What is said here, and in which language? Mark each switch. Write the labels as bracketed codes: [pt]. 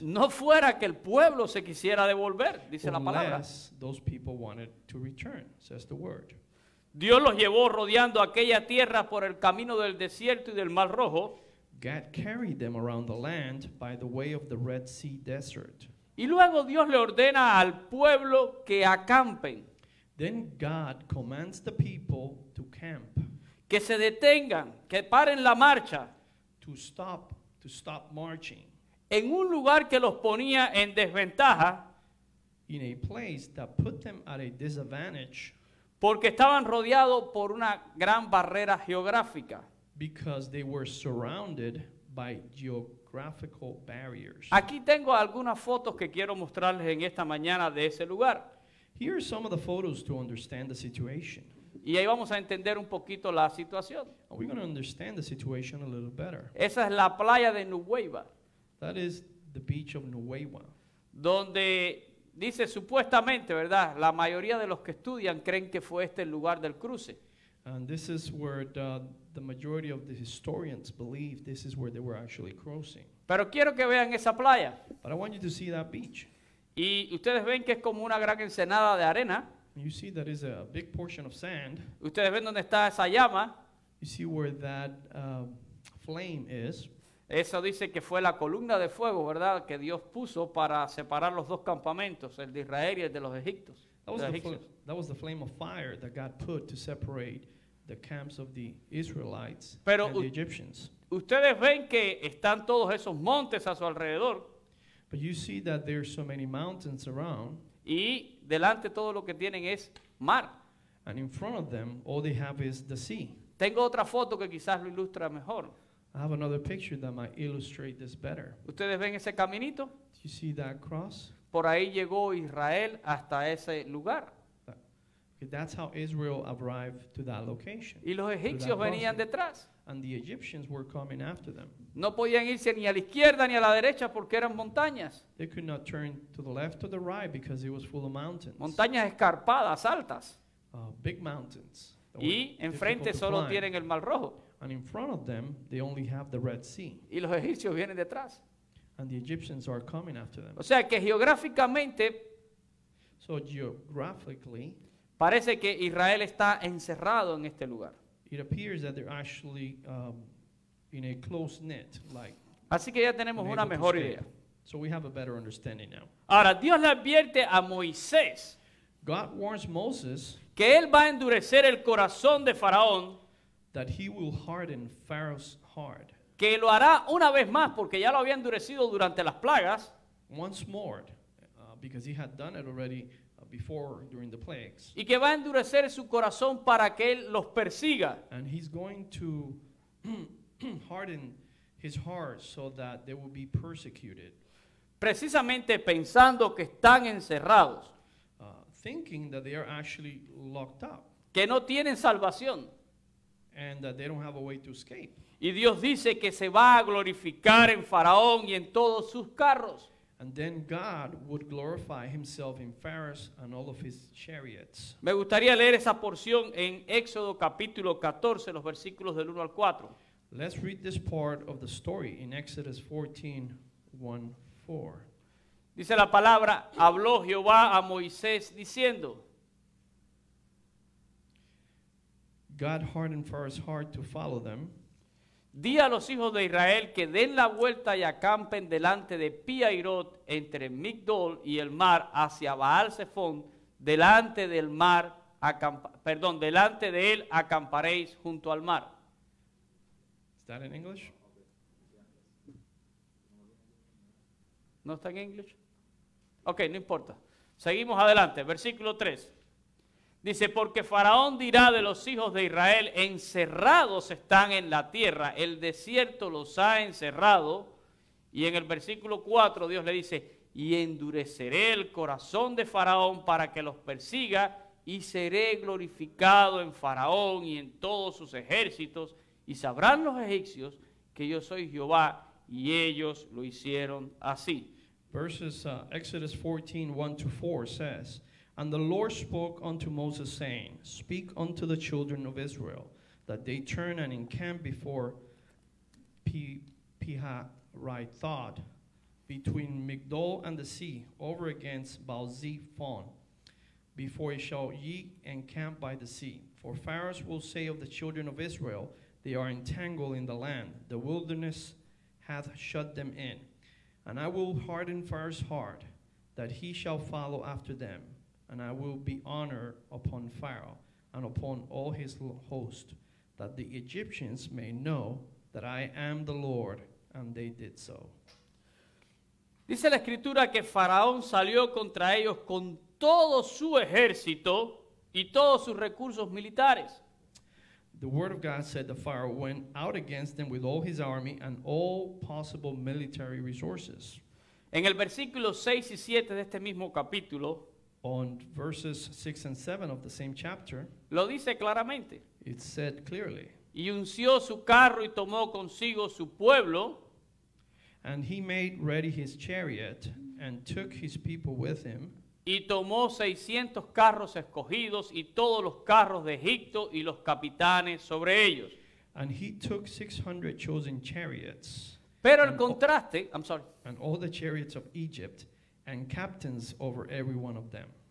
[es] No fuera que el pueblo se quisiera devolver, dice [en] unless [es] la palabra. [en] Those people wanted to return, says the word. [es] Dios los llevó rodeando aquella tierra por el camino del desierto y del Mar Rojo. [en] God carried them around the land by the way of the Red Sea desert. [es] Y luego Dios le ordena al pueblo que acampen. [en] Then God commands the people to camp. [es] Que se detengan, que paren la marcha. [en] To stop marching. [es] En un lugar que los ponía en desventaja. [en] In a place that put them at a disadvantage. [es] Porque estaban rodeados por una gran barrera geográfica. [en] Because they were surrounded by geographical barriers. [es] Aquí tengo algunas fotos que quiero mostrarles en esta mañana de ese lugar. [en] Here are some of the photos to understand the situation. [es] Y ahí vamos a entender un poquito la situación. [en] We're going to understand the situation a little better. [es] Esa es la playa de Nueva. [en] That is the beach of Nueva. [es] Donde dice supuestamente, ¿verdad? La mayoría de los que estudian creen que fue este el lugar del cruce. [en] And this is where the majority of the historians believe this is where they were actually crossing. [es] Pero quiero que vean esa playa. [en] But I want you to see that beach. [es] Y ustedes ven que es como una gran ensenada de arena. [en] You see that is a big portion of sand. [es] Ustedes ven dónde está esa llama. [en] You see where that flame is. [es] Eso dice que fue la columna de fuego, ¿verdad? Que Dios puso para separar los dos campamentos, el de Israel y el de los egipcios. [en] That was the flame of fire that God put to separate the camps of the Israelites [es] Pero [en] and the Egyptians. [es] Ustedes ven que están todos esos montes a su alrededor. [en] But you see that there are so many mountains around. [es] Y delante todo lo que tienen es mar. [en] And in front of them, all they have is the sea. [es] Tengo otra foto que quizás lo ilustra mejor. [en] I have another picture that might illustrate this better. [es] ¿Ustedes ven ese caminito? [en] Do you see that cross? [es] Por ahí llegó Israel hasta ese lugar. [en] That's how Israel arrived to that location. [es] Y los egipcios venían detrás. [en] And the Egyptians were coming after them. [es] No podían irse ni a la izquierda ni a la derecha porque eran montañas. [en] They could not turn to the left or the right because it was full of mountains. [es] Montañas escarpadas, altas. [en] Big mountains. [es] Y enfrente solo tienen el Mar Rojo. [en] And in front of them, they only have the Red Sea. [es] Y los egipcios vienen detrás. [en] And the Egyptians are coming after them. [es] O sea que geográficamente. [en] So geographically. [es] Parece que Israel está encerrado en este lugar. [en] It appears that they're actually in a close knit, like. [es] Así que ya tenemos una mejor idea. [en] So we have a better understanding now. [es] Ahora Dios le advierte a Moisés. [en] God warns Moses. [es] Que él va a endurecer el corazón de Faraón. [en] That he will harden Pharaoh's heart. [es] Que lo hará una vez más porque ya lo había endurecido durante las plagas. [en] Once more, because he had done it already. Before, during the plagues. [es] Y que va a endurecer su corazón para que él los persiga. [en] And he's going to harden his heart so that they will be persecuted. [es] Precisamente pensando que están encerrados. [en] Thinking that they are actually locked up. [es] Que no tienen salvación. [en] And that they don't have a way to escape. [es] Y Dios dice que se va a glorificar en Faraón y en todos sus carros. [en] And then God would glorify himself in Pharaoh and all of his chariots. [es] Me gustaría leer esa porción en Éxodo capítulo 14, los versículos del 1 al 4. [en] Let's read this part of the story in Exodus 14, 1-4. [es] Dice la palabra, habló Jehová a Moisés diciendo. [en] God hardened Pharaoh's heart to follow them. [es] Di a los hijos de Israel que den la vuelta y acampen delante de Pi-Hahirot entre Migdol y el mar hacia Baal-Zephón, delante del mar, delante de él acamparéis junto al mar. [en] Is that in English? [es] ¿No está en inglés? Ok, no importa. Seguimos adelante. Versículo 3. Dice, porque Faraón dirá de los hijos de Israel, encerrados están en la tierra, el desierto los ha encerrado. Y en el versículo 4 Dios le dice, y endureceré el corazón de Faraón para que los persiga, y seré glorificado en Faraón y en todos sus ejércitos, y sabrán los egipcios que yo soy Jehová, y ellos lo hicieron así. [en] Exodus 14:1-4 says, and the Lord spoke unto Moses, saying, speak unto the children of Israel, that they turn and encamp before Pi-Hahirot, between Migdol and the sea, over against Baal-Zephon. Before shall ye encamp by the sea. For Pharaoh will say of the children of Israel, they are entangled in the land, the wilderness hath shut them in. And I will harden Pharaoh's heart, that he shall follow after them. And I will be honor upon Pharaoh and upon all his host, that the Egyptians may know that I am the Lord. And they did so. [es] Dice la escritura que Faraón salió contra ellos con todo su ejército y todos sus recursos militares. [en] The word of God said the Pharaoh went out against them with all his army and all possible military resources. [es] En el versículo 6 y 7 de este mismo capítulo, [en] on verses 6 and 7 of the same chapter, [es] lo dice claramente. [en] It said clearly. [es] Y unció su carro y tomó consigo su pueblo. [en] And he made ready his chariot and took his people with him. [es] Y tomó 600 carros escogidos y todos los carros de Egipto y los capitanes sobre ellos. [en] And he took 600 chosen chariots. [es] Pero el contraste, [en] I'm sorry. And all the chariots of Egypt. And captains over every one of them.